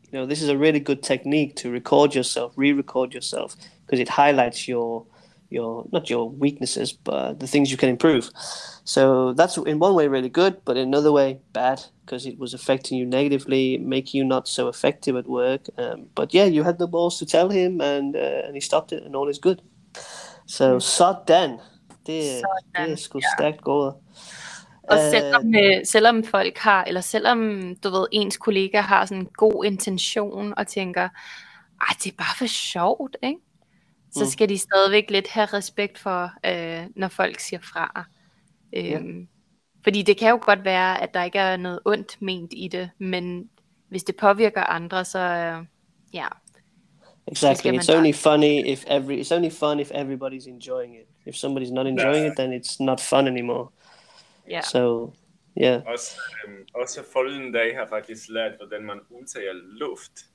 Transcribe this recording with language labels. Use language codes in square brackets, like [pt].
[en] You know, this is a really good technique to record yourself, re-record yourself, because it highlights your not your weaknesses, but the things you can improve. So that's in one way really good, but in another way bad, because it was affecting you negatively, making you not so effective at work. But yeah, you had the balls to tell him, and he stopped it, and all is good. [da] So sådan, det er sgu stærkt gået. Og selvom folk har, eller selvom du ved, ens kollega har sådan en god intention og tænker, ej, det er bare for sjovt, ikke? Så skal de stadigvæk lidt have respekt for, når folk siger fra. Fordi det kan jo godt være, at der ikke er noget ondt ment i det, men hvis det påvirker andre, så ja. [en] Exactly. It's only funny if everybody's enjoying it. If somebody's not enjoying it, then it's not fun anymore. Yeah. So, yeah. [da] Også forleden dag har faktisk lært, hvordan man udtaler luft.